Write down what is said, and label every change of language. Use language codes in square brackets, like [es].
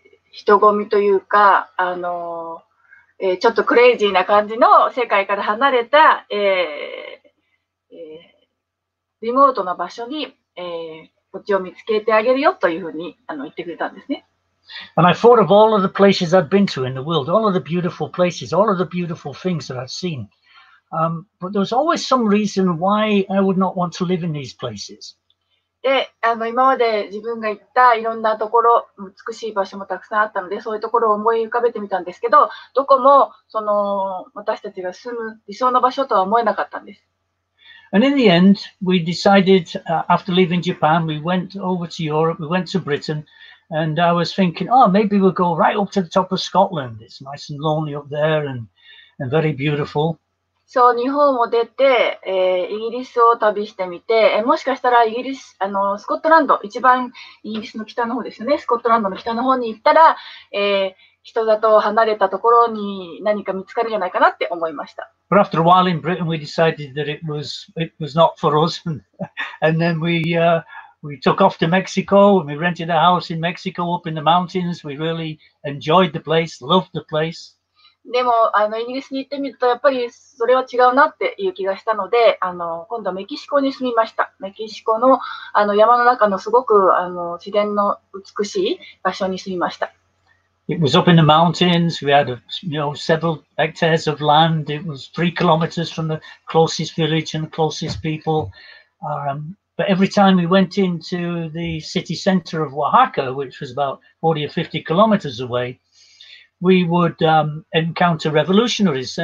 [ja] 人混みというか、ちょっとクレイジーな感じの世界から離れた、リモートな場所に、こっちを見つけてあげるよというふうに言ってくれたんですね。 [en] And I thought of all of the places I've been to in the world, all of the beautiful places, all of the beautiful things that I've seen. But there was always some reason why I would not want to live in these places. [ja] で、今まで自分が行ったいろんなところ、美しい場所もたくさんあったので、そういうところを思い浮かべてみたんですけど、どこもその私たちが住む理想の場所とは思えなかったんです。 [en] And in the end, we decided, after leaving Japan, we went over to Europe, we went to Britain, and I was thinking, oh, maybe we'll go right up to the top of Scotland. It's nice and lonely up there and very beautiful. [ja] そう、日本を出て、イギリスを旅してみて、もしかしたらスコットランド、一番イギリスの北の方ですよね、スコットランドの北の方に行ったら、人里を離れたところに何か見つかるんじゃないかなって思いました。 [en] But after a while in Britain, we decided that it was not for us. And then we took off to Mexico and we rented a house in Mexico up in the mountains. We really enjoyed the place, loved the place. [ja] でも、イギリスに行ってみると、やっぱりそれは違うなっていう気がしたので、今度はメキシコに住みました。メキシコの、山の中のすごく自然の美しい場所に住みました。 [en] It was up in the mountains. We had several hectares of land. It was 3 kilometers from the closest village and the closest people. But every time we went into the city center of Oaxaca, which was about 40 or 50 kilometers away, we would encounter revolutionaries.